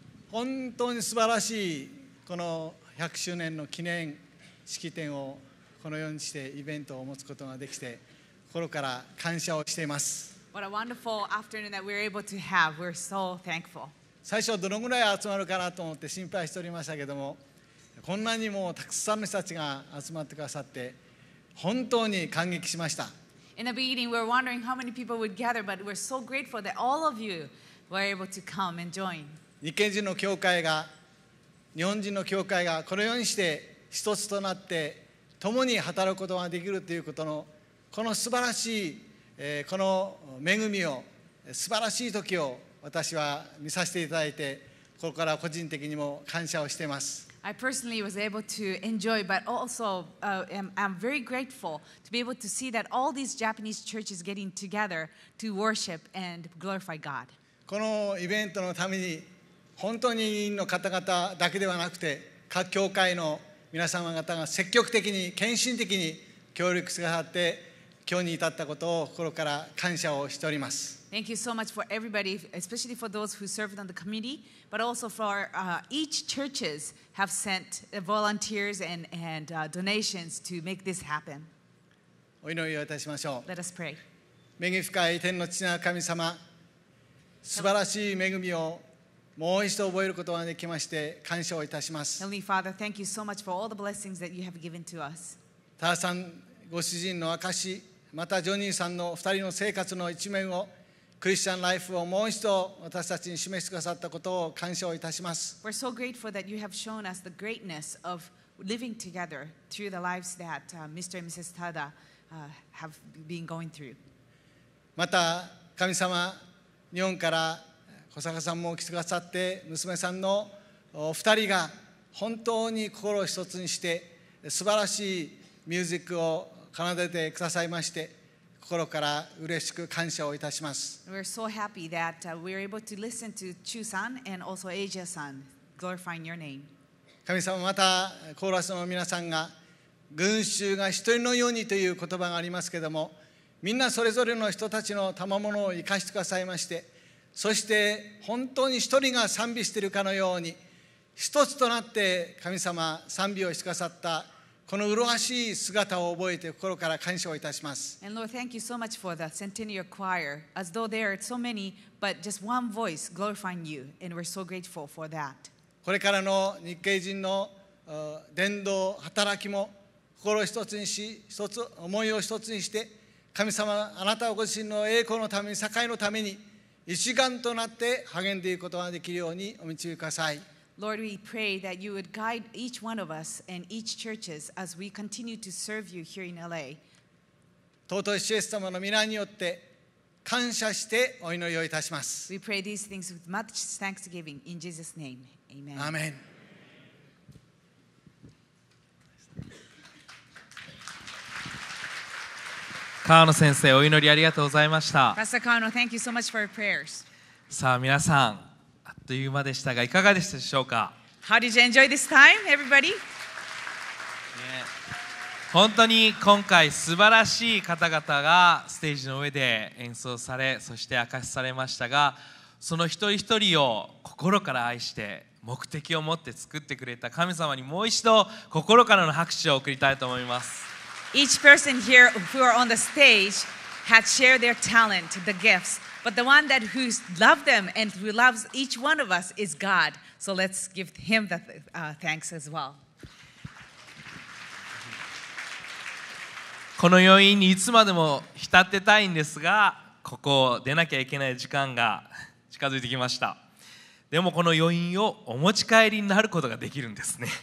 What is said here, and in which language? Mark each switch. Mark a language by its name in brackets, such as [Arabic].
[Japanese] 本当に素晴らしいこの100周年の記念式典をこのようにしてイベントを持つことができて心から感謝をしています。 [English] What a wonderful afternoon that we're able to have. We're so thankful. [Japanese] 最初どのぐらい集まるかなと思って心配しておりましたけども、こんなにもたくさんの人たちが集まってくださって本当に感激しました。 [English] In the beginning, we were wondering how many people would gather, but we're so grateful that all of you were able to come and join. [Japanese] 日系人の教会が、日本人の教会がこのようにして一つとなって共に働くことができるということのこの素晴らしい、この恵みを、素晴らしい時を私は見させていただいて、ここから個人的にも感謝をしています。 [English] I personally was able to enjoy, but also I'm very grateful to be able to see that all these Japanese churches getting together to worship and glorify God. [Japanese] このイベントのために本当に委員の方々だけではなくて各教会の皆様方が積極的に献身的に協力してくださって今日に至ったことを心から感謝をしております。 [English] Thank you so much for everybody, especially for those who served on the committee, but also for each churches have sent volunteers and donations to make this happen. [Japanese] お祈りをいたしましょう。 [English] Let us pray. [Japanese] 恵み深い天の父なる神様、素晴らしい恵みをもう一度覚えることができまして感謝をいたします。 [English] Heavenly Father, thank you so much for all the blessings that you have given to us. [Japanese] 田さんご主人の証、またジョニーさんの二人の生活の一面をクリスチャンライフをもう一度私たちに示してくださったことを感謝をいたします。 [English] We're so grateful that you have shown us the greatness of living together through the lives that Mr. and Mrs. Tada have been going through. [Japanese] また神様、日本から小坂さんも来てくださって、娘さんの二人が本当に心を一つにして素晴らしいミュージックを奏でてくださいまして、心から嬉しく感謝をいたします。 [English] We're so happy that we're able to listen to Chu-san and also Asia-san glorifying your name. [Japanese] 神様、またコーラスの皆さんが、群衆が一人のようにという言葉がありますけれども、みんなそれぞれの人たちの賜物を生かしてくださいまして、そして本当に一人が賛美しているかのように一つとなって神様賛美をしてくださった、この麗しい姿を覚えて心から感謝をいたします。 [English] And Lord, thank you so much for the centennial choir, as though there are so many, but just one voice glorifying you, and we're so grateful for that. [Japanese] これからの日系人の伝道働きも心を一つにし、一つ思いを一つにして、神様、あなたご自身の栄光のために、栄のために一丸となって励んでいくことができるようにお導きください。 [English] Lord, we pray that you would guide each one of us and each churches as we continue to serve you here in LA. [Japanese] 尊いイエス様の御名によって感謝してお祈りをいたします。 [English] We pray these things with much thanksgiving in Jesus' name. Amen. Amen. [Japanese] Kano 先生、お祈りありがとうございました。 [English] Pastor Kano, thank you so much for your prayers. [Japanese] さあ、皆さん。という間でしたが、いかがでしたでしょうか。 [English] How did you enjoy this time, everybody? [Japanese] 本当に今回素晴らしい方々がステージの上で演奏され、そして明かしされましたが、その一人一人を心から愛して目的を持って作ってくれた神様にもう一度心からの拍手を送りたいと思います。 [English] Each person here who are on the stage had shared their talent, the giftsBut the one that who loved them and who loves each one of us is God. So let's give him the thanks as well. [Japanese] この余韻にいつまでも浸ってたいんですが、ここを出なきゃいけない時間が近づいてきました。でもこの余韻をお持ち帰りになることができるんですね。